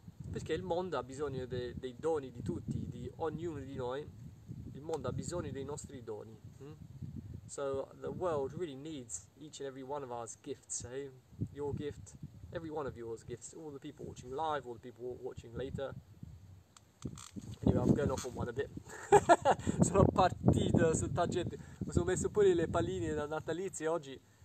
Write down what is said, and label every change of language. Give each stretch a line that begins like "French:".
Italian: Perché il mondo ha bisogno dei doni di tutti, di ognuno di noi. Il mondo ha bisogno dei nostri doni.
English: So the world really needs each and every one of us gifts, eh? Your gift, every one of yours gifts, all the people watching live, all the people watching later. Anyway, I'm going off on one a bit.
Italian: Sono partito su tangente. Mi sono messo pure le palline da natalizia oggi.